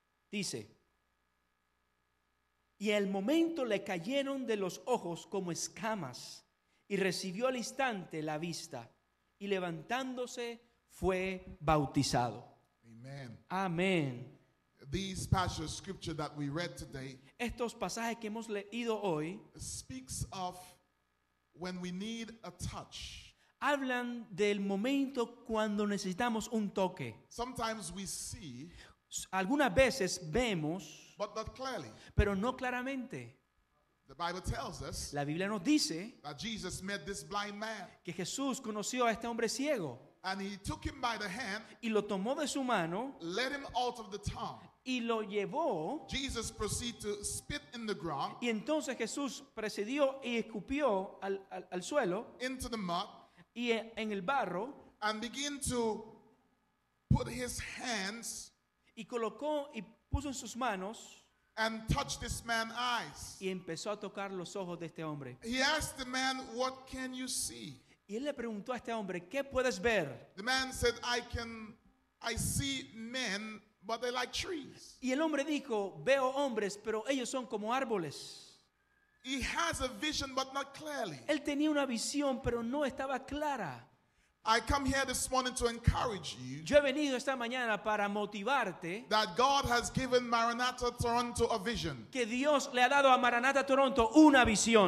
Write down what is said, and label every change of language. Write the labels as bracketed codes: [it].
[es] Dice: y al momento le cayeron de los ojos como escamas, y recibió al instante la vista, y levantándose fue bautizado. [en] Amen. [es] Amen. [en] These passages of scripture that we read today, [es] estos pasajes que hemos leído hoy, [en] speaks of when we need a touch. [es] Hablan del momento cuando necesitamos un toque. [en] Sometimes we see, [es] algunas veces vemos, [en] but not clearly. [es] Pero no claramente. [en] The Bible tells us, [es] la Biblia nos dice, [en] that Jesus met this blind man, [es] que Jesús conoció a este hombre ciego. [en] And he took him by the hand, [es] y lo tomó de su mano, [en] led him out of the town, [es] y lo llevó. [en] Jesus proceeded to spit in the ground, [es] y entonces Jesús procedió y escupió al suelo, [en] into the mud, [es] y en el barro, [en] and began to put his hands, [es] y colocó y puso en sus manos, [en] and touched this man's eyes, [es] y empezó a tocar los ojos de este hombre. [en] He asked the man, "What can you see?" [es] Y él le preguntó a este hombre, ¿qué puedes ver? [en] The man said, I see men, but they're like trees. [es] Y el hombre dijo, veo hombres, pero ellos son como árboles. [en] He has a vision, but not clearly. [es] Él tenía una visión, pero no estaba clara. [en] I come here this morning to encourage you. [es] Yo he venido esta mañana para motivarte. [en] That God has given Maranatha Toronto a vision. [es] Que Dios le ha dado a Maranatha Toronto una visión.